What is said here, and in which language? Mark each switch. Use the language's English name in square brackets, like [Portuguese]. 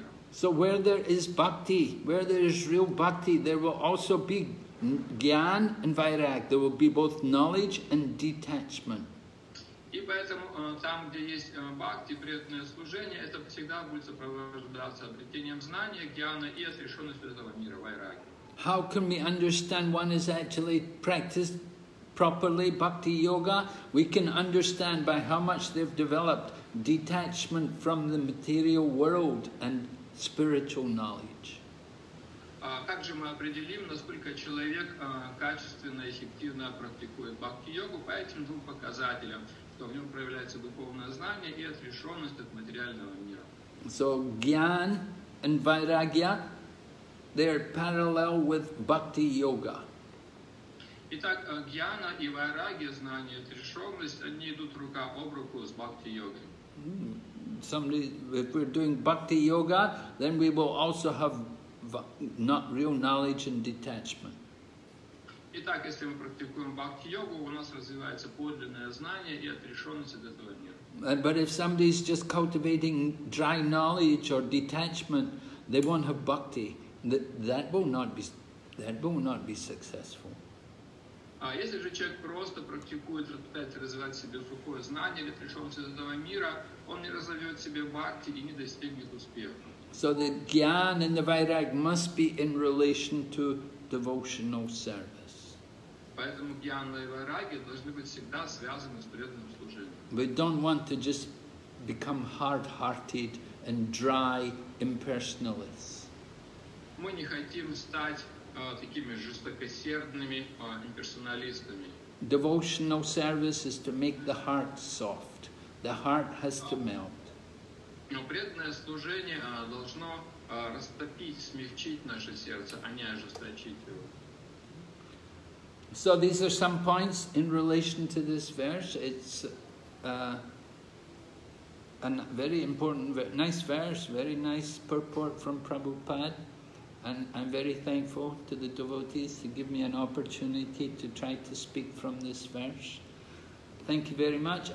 [English] So where there is bhakti, where there is real bhakti, there will also be gyan and vairag. There will be both knowledge and detachment. [Russian] И поэтому там, где есть бхакти, преданное служение, это всегда будет сопровождаться обретением знания, гьяна и отрешенностью этого мира, вайраги. [English] How can we understand one is actually practiced properly, bhakti yoga? We can understand by how much they've developed detachment from the material world and spiritual knowledge. [Russian] Как же мы определим, насколько человек качественно и эффективно практикует бхакти йогу по этим двум показателям? Что в нем проявляется духовное знание и отрешенность от материального мира. [English] So gyan and vairagya, they are parallel with bhakti yoga. [Russian] Итак, гьяна и вайрагья, знание и отрешенность, они идут рука об руку с бхакти йогой. [English] Somebody, if we're doing bhakti yoga, then we will also have not real knowledge and detachment. [Russian] Итак, если мы практикуем бхакти-йогу, у нас развивается подлинное знание и отрешенность от этого мира. [English] But if somebody is just cultivating dry knowledge or detachment, they won't have bhakti. That will not be successful. [Russian] А если же человек просто практикует, пытается развивать в себе сухое знание или отрешенность от этого мира, он не разовьет в себе бхакти и не достигнет успеха. [English] So the gyan and the vairag must be in relation to devotional service. [Russian] Поэтому гьяна и вайраги должны быть всегда связаны с преданным служением. [English] We don't want to just become hard-hearted and dry impersonalists. [Russian] Мы не хотим стать такими жестокосердными имперсоналистами. [English] Devotional service is to make the heart soft. The heart has to melt. [Russian] Но преданное служение должно растопить, смягчить наше сердце, а не ожесточить его. [English] So these are some points in relation to this verse. It's a very important, nice verse, very nice purport from Prabhupada. And I'm very thankful to the devotees to give me an opportunity to try to speak from this verse. Thank you very much.